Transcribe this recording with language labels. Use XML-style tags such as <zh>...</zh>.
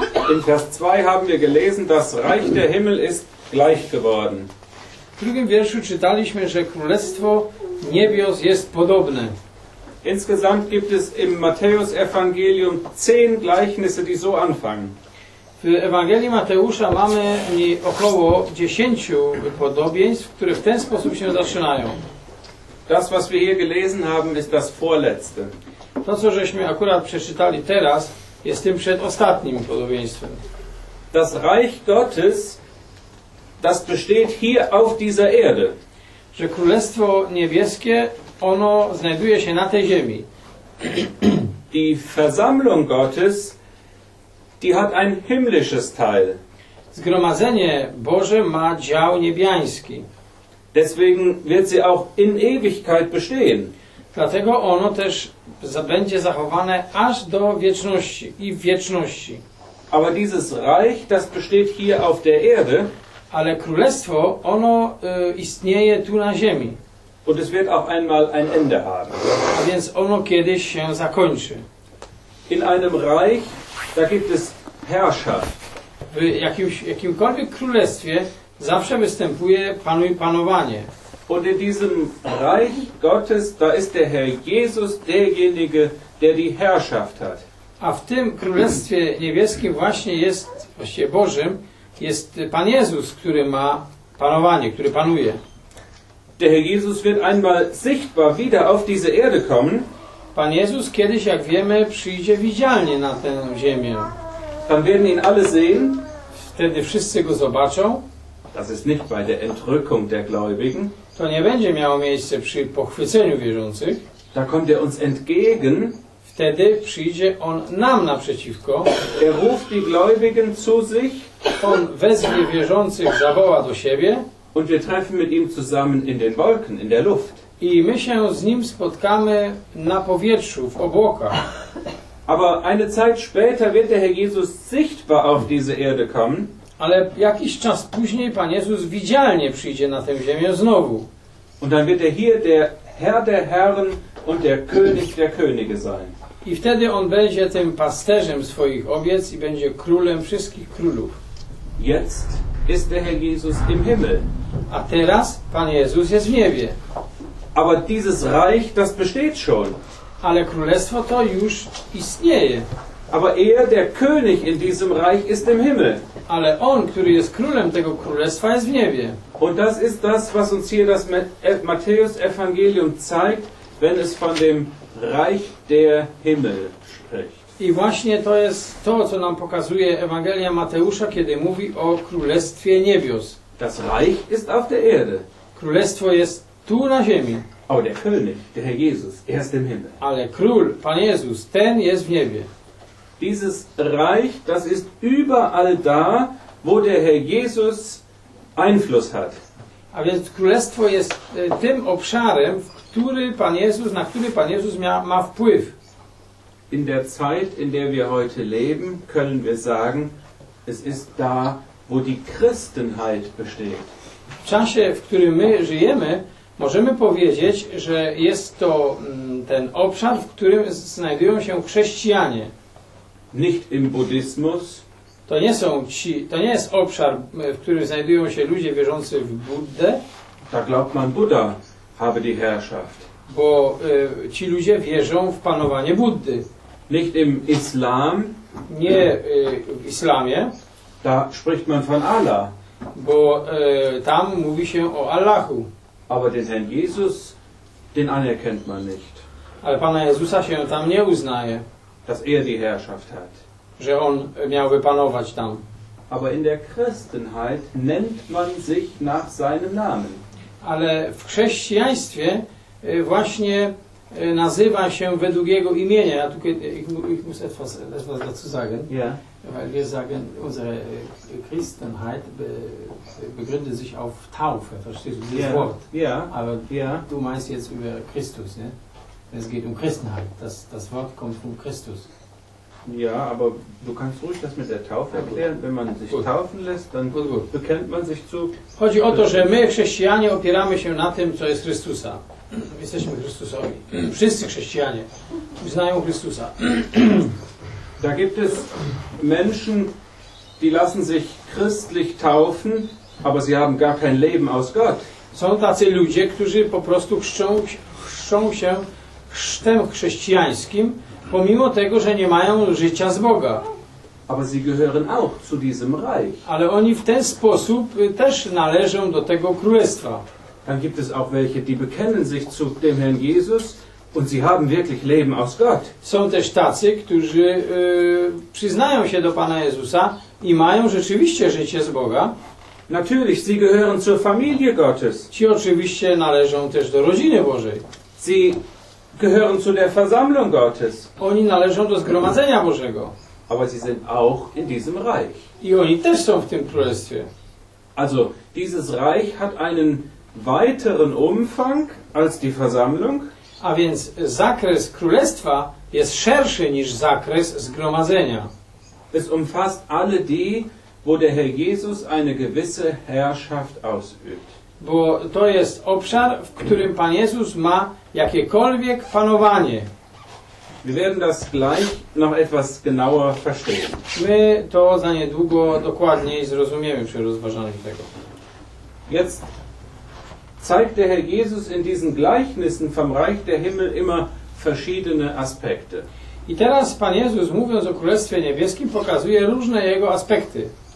<de>In Vers 2 haben wir gelesen, das Reich der Himmel ist gleich geworden.</de> <pl>W drugim wierszu czytaliśmy, że Królestwo Niebios jest podobne.</pl> <de>Insgesamt gibt es im Matthäus Evangelium 10 Gleichnisse, die so anfangen.</de> <pl>W Ewangelii Mateusza mamy około 10 podobieństw, które w ten sposób się zaczynają.</pl> <de>Das, was wir hier gelesen haben, ist das vorletzte.</de> <pl>To, co żeśmy akurat przeczytali teraz, jest tym przedostatnim podobieństwem.</pl> <de>Das Reich Gottes, das besteht hier auf dieser Erde.</de> <pl>Że Królestwo Niebieskie, ono znajduje się na tej ziemi.</pl> <de>Die Versammlung Gottes, die hat ein himmlisches Teil.</de> <pl>Zgromadzenie Boże ma dział niebiański.</pl> <de>Deswegen wird sie auch in Ewigkeit bestehen.</de> <pl>Dlatego ono też będzie zachowane aż do wieczności i w wieczności.</pl> <de>Aber dieses Reich, das besteht hier auf der Erde,</de> <pl>ale królestwo, ono istnieje tu na ziemi.</pl> <de>Und es wird auch einmal ein Ende haben.</de> <pl>A więc ono kiedyś się zakończy.</pl> <de>In einem Reich, da gibt es Herrschaft.</de> <pl>W jakimkolwiek królestwie zawsze występuje panuj panowanie.</pl> <de>Und in diesem Reich Gottes, da ist der Herr Jesus derjenige, der die Herrschaft hat.</de> <pl>A w tym Królestwie Niebieskim właśnie jest, właściwie Bożym, jest Pan Jezus, który ma panowanie, który panuje.</pl> <de>Der Herr Jesus wird einmal sichtbar wieder auf diese Erde kommen.</de> <pl>Pan Jezus kiedyś, jak wiemy, przyjdzie widzialnie na tę ziemię.</pl> <de>Dann werden ihn alle sehen.</de> <pl>Wtedy wszyscy go zobaczą.</pl> <de>Das ist nicht bei der Entrückung der Gläubigen.</de> <pl>To nie będzie miało miejsce przy pochwyceniu wierzących.</pl> <de>Da kommt er uns entgegen.</de> <pl>Wtedy przyjdzie on nam naprzeciwko.</pl> <de>Er ruft die Gläubigen zu sich.</de> <pl>On wezwie wierzących, zawoła do siebie.</pl> <de>Und wir treffen mit ihm zusammen in den Wolken, in der Luft.</de> <pl>I my się z nim spotkamy na powietrzu, w obłokach.</pl> <de>Aber eine Zeit später wird der Herr Jesus sichtbar auf diese Erde kommen.</de> <pl>Ale jakiś czas później Pan Jezus widzialnie przyjdzie na tę ziemię znowu.</pl> <de>Und dann wird er hier der Herr der Herren und der Könige sein.</de> <pl>I wtedy on będzie tym pasterzem swoich owiec i będzie królem wszystkich królów.</pl> <de>Jetzt ist der Herr Jesus im Himmel.</de> <pl>A teraz Pan Jezus jest w niebie.</pl> <de>Aber dieses Reich, das besteht schon.</de> <pl>Ale królestwo to już istnieje.</pl> <de>Aber er, der König in diesem Reich, ist im Himmel.</de> <pl>Ale on, który jest królem tego królestwa, jest w niebie.</pl> <de>Und das ist das, was uns hier das Matthäus-Evangelium zeigt, wenn es von dem Reich der Himmel spricht.</de> <pl>I właśnie to jest to, co nam pokazuje Ewangelia Mateusza, kiedy mówi o królestwie niebios.</pl> <de>Das Reich ist auf der Erde.</de> <pl>Królestwo jest tu na ziemi.</pl> <de>Aber der König, der Herr Jesus, er ist im Himmel.</de> <pl>Ale król, Pan Jezus, ten jest w niebie.</pl> <de>Dieses Reich, das ist überall da, wo der Herr Jesus Einfluss hat.</de> <pl>A więc królestwo jest tym obszarem, w który Pan Jezus, na który Pan Jezus ma wpływ.</pl> <de>In der Zeit, in der wir heute leben, können wir sagen, es ist da, wo die Christenheit besteht.</de> <pl>W czasie, w którym my żyjemy, możemy powiedzieć, że jest to ten obszar, w którym znajdują się chrześcijanie.</pl> <de>Nicht im Buddhismus.</de> <pl>To nie są ci, to nie jest obszar, w którym znajdują się ludzie wierzący w Buddę.</pl> <de>Da glaubt man, Buddha habe die Herrschaft.</de> <pl>Bo ci ludzie wierzą w panowanie Buddy.</pl> <de>Nicht im Islam.</de> <pl>Nie w Islamie.</pl> <de>Da spricht man von Allah.</de> <pl>Bo tam mówi się o Allahu.</pl> <de>Aber den Herrn Jesus, den anerkennt man nicht.</de> <pl>Ale Pana Jezusa się tam nie uznaje.</pl> <de>Dass er die Herrschaft hat.</de> <pl>Że on miałby panować tam.</pl> <de>Aber in der Christenheit nennt man sich nach seinem Namen.</de> <pl>Ale w chrześcijaństwie właśnie nazywa się według jego imienia.</pl> <de>Ja tu ich muss etwas dazu sagen. Ja. Weil wir sagen, unsere Christenheit begründet sich auf Taufe, verstehst du dieses Wort? Ja. Aber du meinst jetzt über Christus, ne? Es geht um Christenheit. Das Wort kommt von Christus. Ja, aber du kannst ruhig das mit der Taufe erklären. Wenn man sich taufen lässt, dann bekennt man sich zu...</de> <pl>Chodzi o to, że my, chrześcijanie, opieramy się na tym, co jest Chrystusa. My jesteśmy Chrystusowi. Wszyscy chrześcijanie uznają Chrystusa.</pl> <de>Da gibt es Menschen, die lassen sich christlich taufen, aber sie haben gar kein Leben aus Gott.</de> <pl>Są tacy ludzie, którzy po prostu chrzczą się chrztem chrześcijańskim, pomimo tego, że nie mają życia z Boga.</pl> <de>Aber sie gehören auch zu diesem Reich.</de> <pl>Ale oni w ten sposób też należą do tego królestwa.</pl> <de>Dann gibt es auch welche, die bekennen sich zu dem Herrn Jesus und sie haben wirklich Leben aus Gott.</de> <pl>Są też tacy, którzy przyznają się do Pana Jezusa i mają rzeczywiście życie z Boga.</pl> <de>Natürlich, sie gehören zur Familie Gottes.</de> <pl>Ci oczywiście należą też do rodziny Bożej.</pl> <de>Sie gehören zu der Versammlung Gottes.</de> <pl>Oni należą do zgromadzenia Bożego.</pl> <de>Aber sie sind auch in diesem Reich.</de> <pl>I oni też są w tym królestwie.</pl> <de>Also, dieses Reich hat einen weiteren Umfang als die Versammlung.</de> <pl>A więc zakres królestwa jest szerszy niż zakres zgromadzenia.</pl> <de>Es umfasst alle die, wo der Herr Jesus eine gewisse Herrschaft ausübt.</de> <pl>Bo to jest obszar, w którym Pan Jezus ma jakiekolwiek panowanie.</pl> <de>Wir werden das gleich noch etwas genauer verstehen.</de> <pl>My to za niedługo dokładniej zrozumiemy przy rozważaniu tego.</pl> <de>Jetzt zeigt der Herr Jesus in diesen Gleichnissen vom Reich der Himmel immer verschiedene Aspekte.</de> <pl>I teraz Pan Jezus, mówiąc o Królestwie Niebieskim, pokazuje różne jego aspekty.</pl>